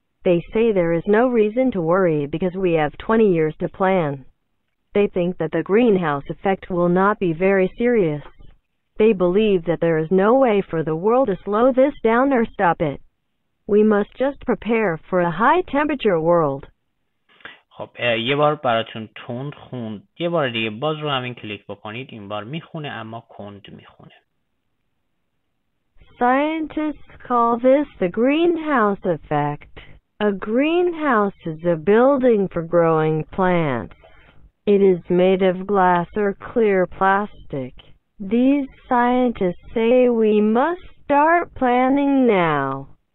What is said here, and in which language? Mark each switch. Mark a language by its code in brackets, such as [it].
[en] They say there is no reason to worry because we have 20 years to plan. They think that the greenhouse effect will not be very serious. They believe that there is no way for the world to slow this down or stop it. We must just prepare for a high temperature world. [fa] خب یه بار براتون تند خوند، یه بار دیگه باز رو همین کلیک بکنید، این بار میخونه اما کند میخونه. [en] Scientists call this the greenhouse effect. A greenhouse is a building for growing plants. It is made of glass or clear plastic. These scientists say we must start planning now.